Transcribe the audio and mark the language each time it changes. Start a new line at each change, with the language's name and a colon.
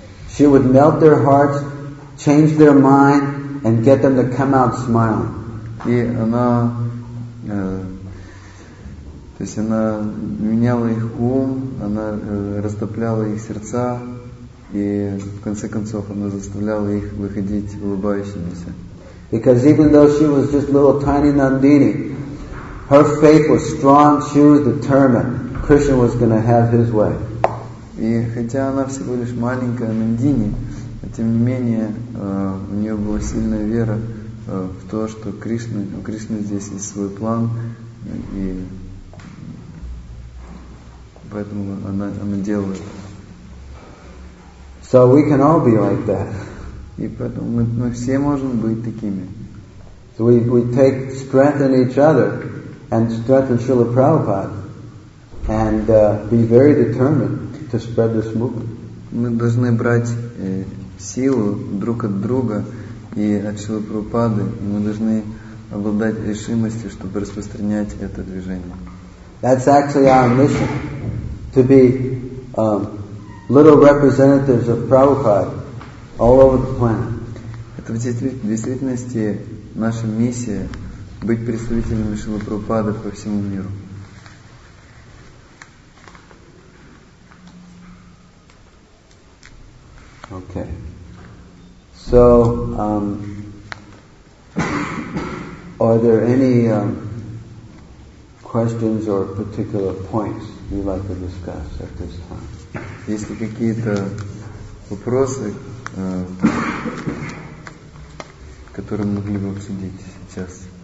English: She would melt their hearts, change their mind, and get them to come out smiling.
Russian: И она, то есть она меняла их ум, она растопляла их сердца, и в конце концов она заставляла их выходить улыбающимися.
English: Because even though she was just little tiny Nandini, her faith was strong. She was determined. Krishna was going to have his way.
Russian: И хотя она всего лишь маленькая Нандини, тем не менее у нее была сильная вера в то, что Кришна, у Кришны здесь есть свой план, и поэтому она делала это.
English: So we can all be like that.
Russian: И поэтому мы все можем быть такими.
English: So we take strength in each other and strength in Srila Prabhupada and be very determined. To spread this movement.
Russian: Мы должны брать силу друг от друга и от Шрилы Прабхупады, и мы должны обладать решимостью, чтобы распространять это движение.
English: That's actually our mission, to be little representatives of Prabhupada all over the planet.
Russian: Это в действительности наша миссия быть представителями Шрилы Прабхупады по всему миру.
English: Okay. So, are there any questions or particular points you'd like to discuss at this time?
Russian: Есть ли какие-то вопросы, которые могли бы обсудить сейчас?